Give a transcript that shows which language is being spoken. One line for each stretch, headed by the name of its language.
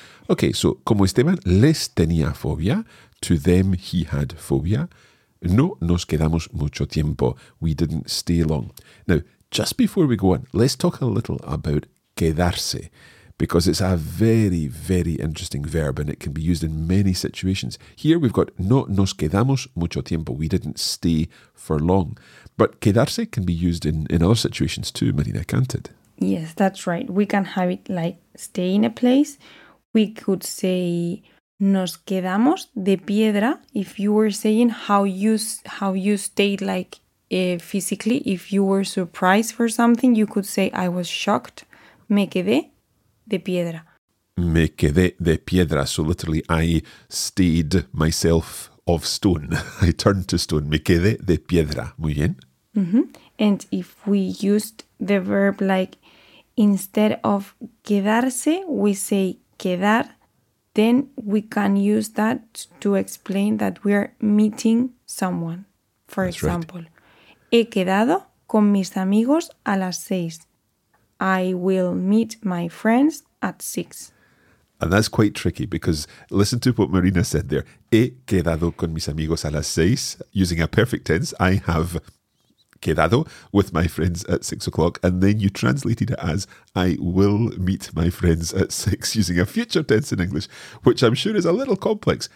English: Okay, so
Spanish: como Esteban les tenía fobia,
English: to them he had phobia.
Spanish: No nos quedamos mucho tiempo.
English: We didn't stay long. Now, just before we go on, let's talk a little about quedarse. Because it's a very, very interesting verb and it can be used in many situations. Here we've got
Spanish: no nos quedamos mucho tiempo.
English: We didn't stay for long. But quedarse can be used in other situations too, Marina, can't it? Yes, that's right. We can have it like stay in a place. We could say
Spanish: nos quedamos de piedra
English: if you were saying how you stayed like physically. If you were surprised for something, you could say I was shocked.
Spanish: Me quedé. De piedra. Me quedé de piedra.
English: So literally, I stayed myself of stone. I turned to stone.
Spanish: Me quedé de piedra. Muy bien. Mm-hmm.
English: And if we used the verb like instead of quedarse, we say quedar, then we can use that to explain that we are meeting someone. For That's example, right.
Spanish: He quedado con mis amigos a las seis.
English: I will meet my friends at 6. And that's quite tricky because listen to what Marina said there.
Spanish: He quedado con mis amigos a las 6.
English: Using a perfect tense, I have quedado with my friends at 6 o'clock. And then you translated it as I will meet my friends at 6 using a future tense in English, which I'm sure is a little complex.